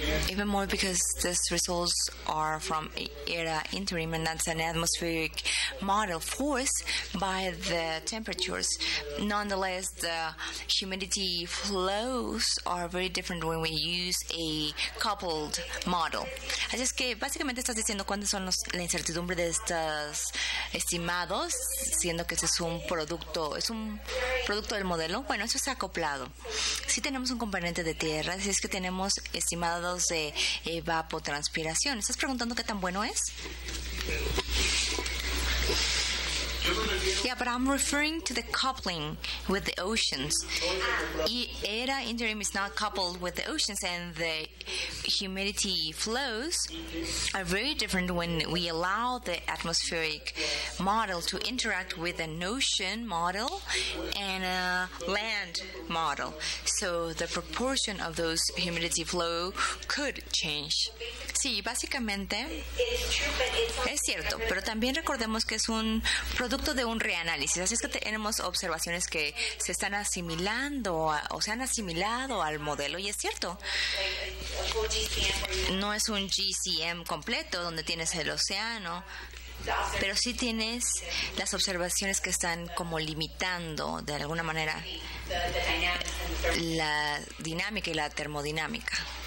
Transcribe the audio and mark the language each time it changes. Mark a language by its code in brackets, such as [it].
[en] Even more because these results are from ERA interim, and that's an atmospheric model forced by the temperatures. Nonetheless, the humidity flows are very different when we use a coupled model. [es] Así es que básicamente estás diciendo cuáles son la incertidumbre de estos estimados, siendo que este es un producto, del modelo. Bueno, eso está acoplado. Sí tenemos un componente de tierra, así es que tenemos estimados de evapotranspiración. ¿Estás preguntando qué tan bueno es? [en] Yeah, but I'm referring to the coupling with the oceans. ERA interim is not coupled with the oceans, and the humidity flows are very different when we allow the atmospheric model to interact with an ocean model and a land model. So the proportion of those humidity flow could change. [es] Sí, básicamente es cierto, pero también recordemos que es un producto de un reanálisis. Así es que tenemos observaciones que se están asimilando o se han asimilado al modelo, y es cierto. No es un GCM completo donde tienes el océano, pero sí tienes las observaciones que están como limitando de alguna manera la dinámica y la termodinámica.